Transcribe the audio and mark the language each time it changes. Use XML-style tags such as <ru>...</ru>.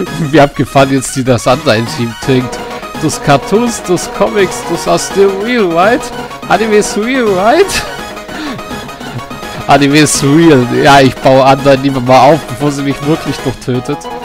<de>Wie abgefahren jetzt die das Undyne-Team tinkt.</de> <en>Those cartoons, those comics, those are still real, right? Anime is real, right? Anime is real.</en> <de>Ja, ich baue Undyne lieber mal auf, bevor sie mich wirklich noch tötet.</de>